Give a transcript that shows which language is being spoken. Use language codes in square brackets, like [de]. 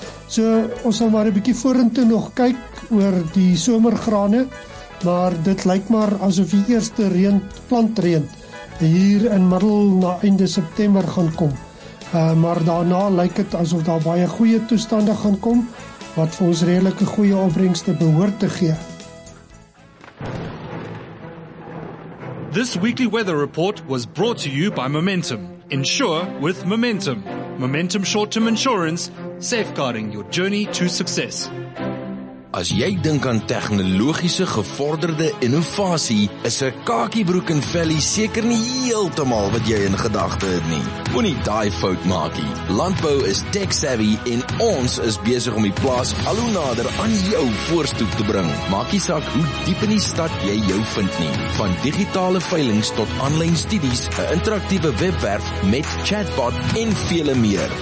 [af] So ons sal maar 'n bietjie vorentoe nog kyk oor die somergrane, maar dit lyk maar asof die eerste reën, plantreën hier in middel na einde September gaan kom. Maar daarna lyk dit asof daar baie goeie toestande gaan kom wat vir ons redelike goeie opbrengste behoort te gee. [en] This weekly weather report was brought to you by Momentum. Insure with Momentum. Momentum short-term insurance, safeguarding your journey to success. [af] As jy dink aan tegnologiese gevorderde innovasie, is 'n kakiebroek en velly seker nie heeltemal wat jy in gedagte het nie. Moenie daai fout maak nie. Landbou is tech-savvy en ons is besig om die plaas al hoe nader aan jou voorstoep te bring. Maak nie saak hoe diep in die stad jy jou vind nie. Van digitale veilings tot aanlyn studies, 'n interaktiewe webwerf met chatbot en vele meer.